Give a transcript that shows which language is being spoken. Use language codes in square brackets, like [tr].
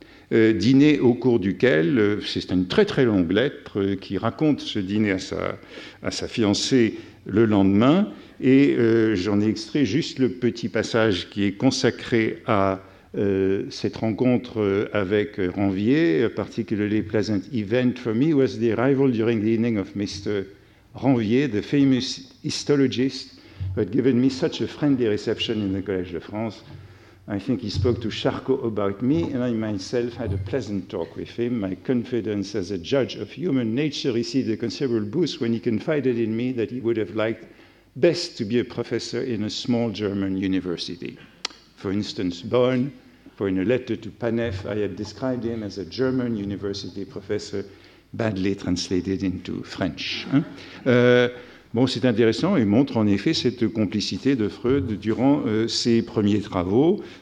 [fr] Dîner au cours duquel, c'est une très très longue lettre qui raconte ce dîner à sa fiancée le lendemain, et j'en ai extrait juste le petit passage qui est consacré à cette rencontre avec Ranvier. [en] A particularly pleasant event for me was the arrival during the evening of Mr. Ranvier, the famous histologist, who had given me such a friendly reception in the Collège de France. I think he spoke to Charcot about me, and I myself had a pleasant talk with him. My confidence as a judge of human nature received a considerable boost when he confided in me that he would have liked best to be a professor in a small German university. For instance, Bonn, for in a letter to Panef, I had described him as a German university professor, badly translated into French. Hein? [fr] Bon, c'est intéressant et montre en effet cette complicité de Freud durant ses premiers travaux.